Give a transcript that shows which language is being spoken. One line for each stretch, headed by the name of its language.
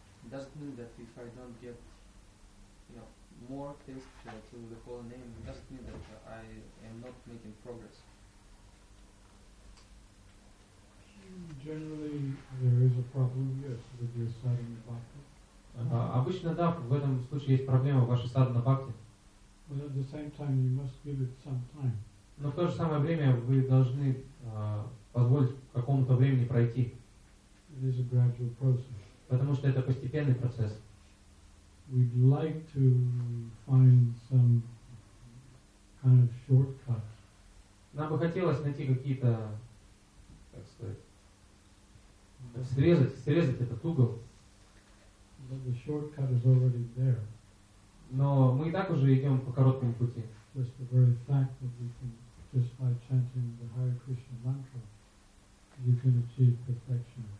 English: Doesn't mean that if I don't get, you know, more things to the holy name, doesn't mean that I am not making progress. Generally, there is a problem, yes, with your sadhana bhakti.
Russian: Обычно да, в этом случае есть проблема в вашей sadhana bhakti.
English: But at the same time, you must give it some time.
Russian: Но в то же самое время вы должны позволить какому-то времени пройти.
English: it is a gradual process.
Russian: Потому что это постепенный процесс.
English: We'd like to find some kind of shortcut.
Russian: Нам бы хотелось найти какие-то, как сказать, срезать этот угол.
English: But the shortcut is already there.
Russian: Но мы и так уже идем по короткому пути.
English: Just the very fact that we can, just by chanting the Hare Krishna mantra, you can achieve perfection.